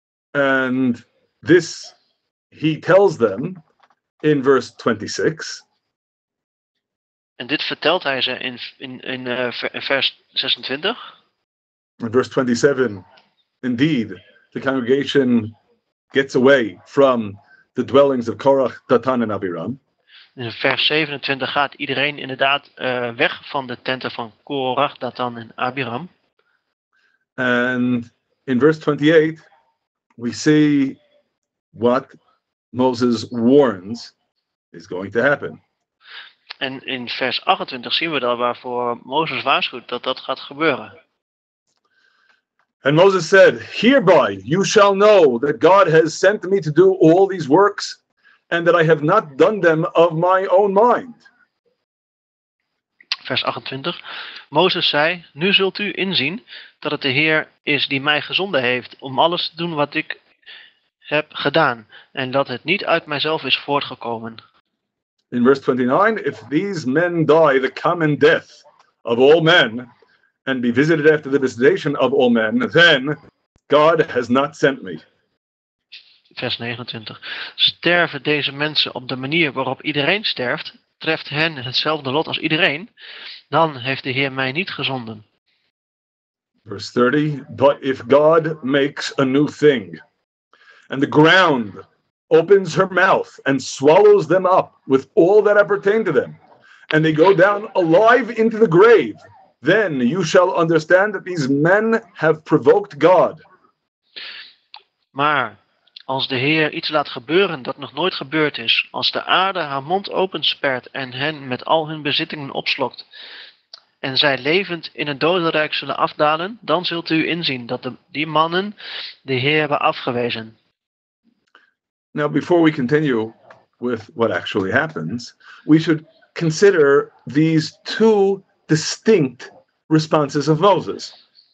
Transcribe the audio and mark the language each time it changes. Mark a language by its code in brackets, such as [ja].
[en] And this he tells them in verse 26. [nl] En dit vertelt hij ze in vers 26. [en] In verse 27, indeed, the congregation gets away from the dwellings of Korach, Datan en Abiram. [nl] In vers 27 gaat iedereen inderdaad weg van de tenten van Korach, Datan en Abiram. [en] And in verse 28, we see what Moses warns is going to happen. [nl] En in vers 28 zien we dan waarvoor Mozes waarschuwt dat dat gaat gebeuren. [en] And Moses said, hereby you shall know that God has sent me to do all these works, and that I have not done them of my own mind. [nl] Vers 28. Mozes zei, nu zult u inzien dat het de Heer is die mij gezonden heeft om alles te doen wat ik heb gedaan, en dat het niet uit mijzelf is voortgekomen. [en] In verse 29, if these men die the common death of all men, and be visited after the visitation of all men, then God has not sent me. [nl] Vers 29, sterven deze mensen op de manier waarop iedereen sterft, treft hen hetzelfde lot als iedereen, dan heeft de Heer mij niet gezonden. [en] Verse 30, but if God makes a new thing, and the ground opens her mouth and swallows them up with all that appertain to them, and they go down alive into the grave, then you shall understand that these men have provoked God. [nl] Maar Als de Heer iets laat gebeuren dat nog nooit gebeurd is, als de aarde haar mond opensperrt en hen met al hun bezittingen opslokt, en zij levend in het dodenrijk zullen afdalen, dan zult u inzien dat die mannen de Heer hebben afgewezen. [en] Now, before we continue with what actually happens, we should consider these two distinct responses of Moses.